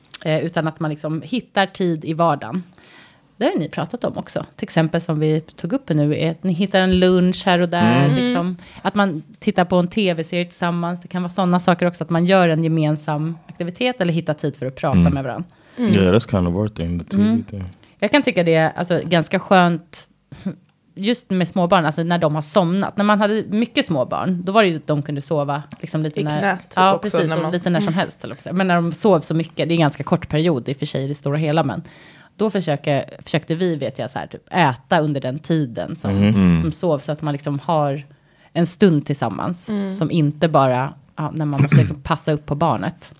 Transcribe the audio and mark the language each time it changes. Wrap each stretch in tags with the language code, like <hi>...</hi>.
<sv>Utan att man liksom hittar tid i vardagen. Det har ni pratat om också. Till exempel som vi tog upp nu, är att ni hittar en lunch här och där. Mm. Liksom. Att man tittar på en tv-serie tillsammans. Det kan vara sådana saker också. Att man gör en gemensam aktivitet eller hittar tid för att prata med varandra.</sv> <en>Yeah, that's kind of worth it in the TV thing.</en> <sv>Jag kan tycka det är alltså ganska skönt just med småbarn, alltså när de har somnat. När man hade mycket småbarn, då var det ju att de kunde sova liksom lite när, lite när som helst. Men när de sov så mycket, det är en ganska kort period i och för sig i det stora hela, men då försökte vi, vet jag, så här, typ äta under den tiden som de sov, så att man liksom har en stund tillsammans som inte bara när man måste liksom passa upp på barnet.</sv>